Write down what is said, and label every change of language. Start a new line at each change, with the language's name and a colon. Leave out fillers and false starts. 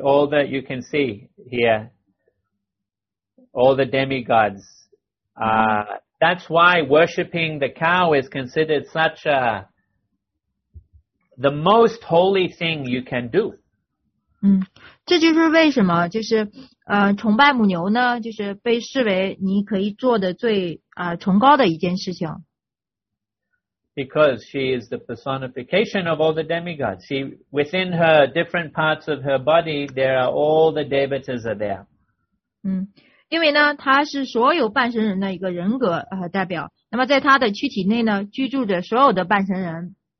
English: All that you can see here, all the demigods. That's why worshipping the cow is considered such the most holy thing you can do.
Chinese: 这就是为什么就是崇拜母牛呢，就是被视为你可以做的最崇高的一件事情。
English: Because she is the personification of all the demigods. She, within her different parts of her body, there are all the devatas are there.
Chinese: 因为呢她是所有半神人的一个人格代表。那么在她的躯体内呢居住着所有的半神人。